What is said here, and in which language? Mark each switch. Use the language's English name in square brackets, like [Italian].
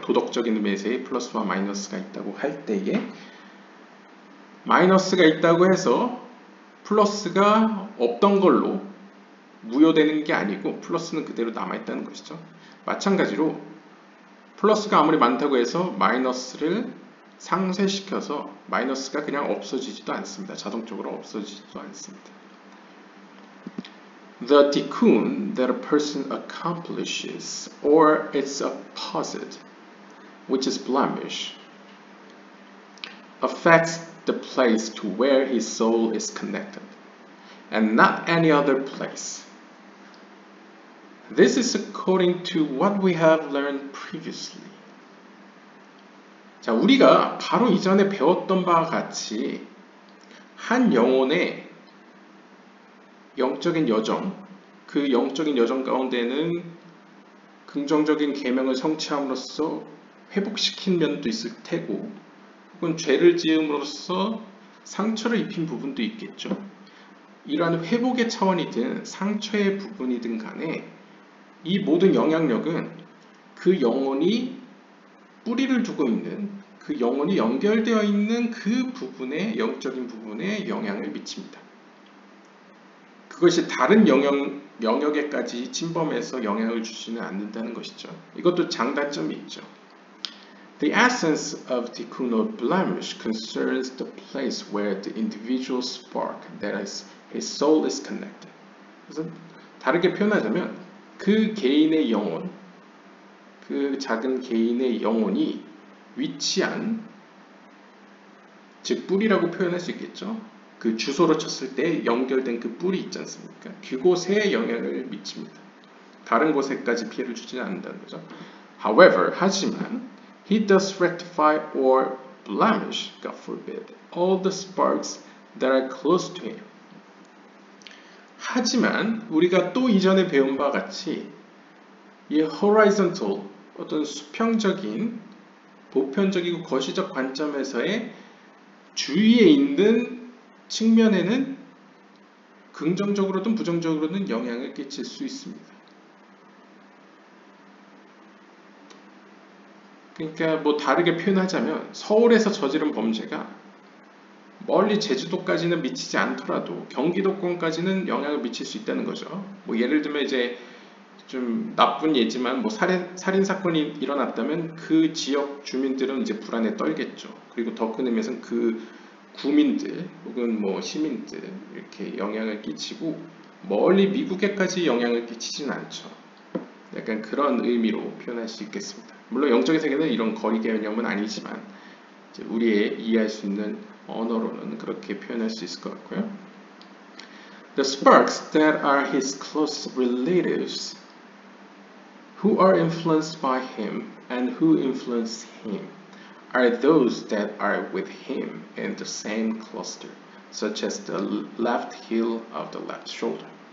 [Korean] 도덕적인 의미에서의 플러스와 마이너스가 있다고 할 때에 마이너스가 있다고 해서 플러스가 없던 걸로 무효되는 게 아니고 플러스는 그대로 남아있다는 것이죠. 마찬가지로 플러스가 아무리 많다고 해서 마이너스를 상쇄시켜서 마이너스가 그냥 없어지지도 않습니다. 자동적으로 없어지지도 않습니다. [English] The tikkun that a person accomplishes or its opposite, which is blemish, affects the place to where his soul is connected, and not any other place. This is according to what we have learned previously. [Korean] 자, 우리가 바로 이전에 배웠던 바와 같이 한 영혼의 영적인 여정, 그 영적인 여정 가운데는 긍정적인 계명을 성취함으로써 회복시킨 면도 있을 테고, 혹은 죄를 지음으로써 상처를 입힌 부분도 있겠죠. 이러한 회복의 차원이든 상처의 부분이든 간에 이 모든 영향력은 그 영혼이 뿌리를 두고 있는, 그 영혼이 연결되어 있는 그 부분에, 영적인 부분에 영향을 미칩니다. 그것이 다른 영역에까지 침범해서 영향을 주지는 않는다는 것이죠. 이것도 장단점이 있죠. [English] The essence of tikkun or blemish concerns the place where the individual spark, that is, his soul is connected. [Korean] 그래서 다르게 표현하자면 그 개인의 영혼, 그 작은 개인의 영혼이 위치한, 즉 뿌리라고 표현할 수 있겠죠. 그 주소로 쳤을 때 연결된 그 뿌리 있지 않습니까? 그곳에 영향을 미칩니다. 다른 곳에까지 피해를 주지는 않는다는 거죠. [English] However, [Korean] 하지만 [English] he does rectify or blemish, God forbid, all the sparks that are close to him. [Korean] 하지만 우리가 또 이전에 배운 바와 같이 이 horizontal, 어떤 수평적인, 보편적이고 거시적 관점에서의 주위에 있는 측면에는 긍정적으로든 부정적으로든 영향을 끼칠 수 있습니다. 그러니까 뭐 다르게 표현하자면 서울에서 저지른 범죄가 멀리 제주도까지는 미치지 않더라도 경기도권까지는 영향을 미칠 수 있다는 거죠. 뭐 예를 들면 이제 좀 나쁜 예지만 뭐 살인사건이 일어났다면 그 지역 주민들은 이제 불안에 떨겠죠. 그리고 더 큰 의미에서는 그 구민들 혹은 뭐 시민들 이렇게 영향을 끼치고 멀리 미국에까지 영향을 끼치진 않죠. 약간 그런 의미로 표현할 수 있겠습니다. 물론 영적인 세계는 이런 거리 개념은 아니지만 이제 우리의 이해할 수 있는 언어로는 그렇게 표현할 수 있을 것 같고요. [English] The sparks that are his close relatives who are influenced by him and who influence him are those that are with him in the same cluster, such as the left heel of the left shoulder.